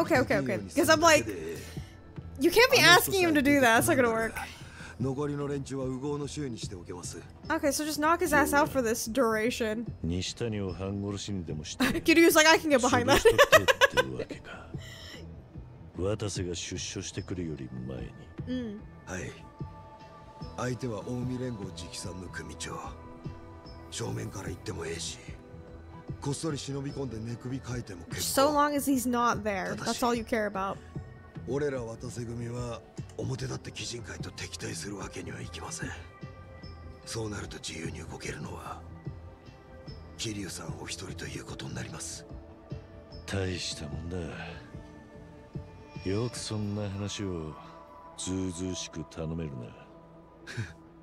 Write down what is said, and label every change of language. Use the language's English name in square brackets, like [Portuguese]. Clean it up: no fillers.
[English] Because I'm like, you can't be asking him to do that. That's not gonna work. [Japanese] 残りの連中は右往の衆にしておけます。 [English] Okay, so just knock his ass out for this duration. [Japanese] 西谷を半殺しにでもして、 [English] Kiryu's like, I can get behind that. [Japanese] 渡瀬が出所してくるより前に。はい。相手は近江連合直参の組長。正面から言ってもええし、こっそり忍び込んで寝首かいても結構。 [English] So long as he's not there, that's all you care about. [Japanese] 俺ら渡瀬組は表立って鬼人会と敵対するわけにはいきません。そうなると自由に動けるのは桐生さんお一人ということになります。大したもんだ。よくそんな話をずうずうしく頼めるな。